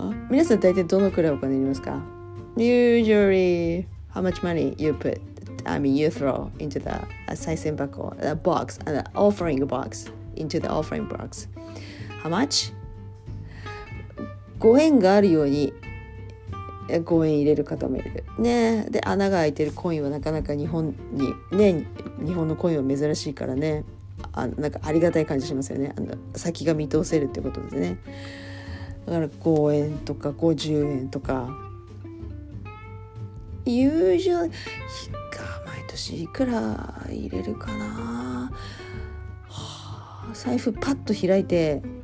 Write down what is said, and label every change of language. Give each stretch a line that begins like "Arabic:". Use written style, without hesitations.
Japanese: 皆さん大体どのくらいお金いりますか。
English: Usually how much money you put, I mean you throw into the 賽銭箱 the box, the offering box, into the offering box. How much?
Japanese: ご縁があるようにご縁入れる方もいる、ね、で穴が開いてるコインはなかなか日本に、ね、日本のコインは珍しいからね、なんかありがたい感じしますよね。先が見通せるってことですね。だから5円とか50円とか、usually 毎年いくら入れるかな、財布パッと開いて